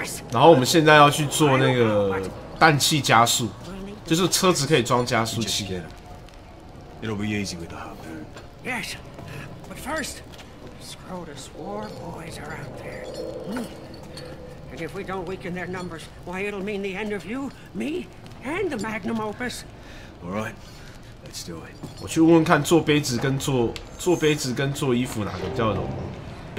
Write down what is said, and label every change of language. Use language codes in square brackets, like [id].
[zh] 然后我们现在要去做那个氮气加速。就是车子可以装加速器。 [en] It'll be easy with the harpoon. Yes, but first, Scrotus war boys are out there. And if we don't weaken their numbers, why it'll mean the end of you, me, and the magnum opus. All right, let's do it. [zh] 我去问问看，做杯子跟做衣服哪个比较容易？